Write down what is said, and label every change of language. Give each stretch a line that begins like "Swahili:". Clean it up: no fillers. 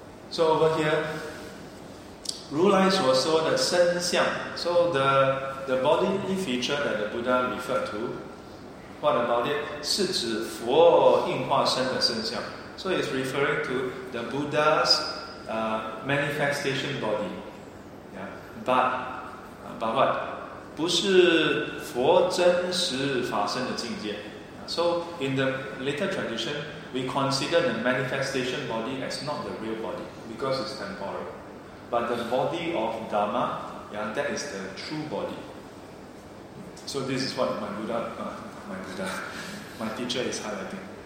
English: So over here, Ru Lai Sua Sua, the Sen Xiang. So the bodily feature that the Buddha referred to, what about it?
Chinese: 是指佛应化身的身相.
English: So it's referring to the Buddha's manifestation body. Yeah. But what?
Chinese: 不是佛真实法身的境界.
English: So in the later tradition, we consider the manifestation body as not the real body, because it's temporal. But the body of Dharma, yeah, that is the true body. So this is what my teacher is highlighting.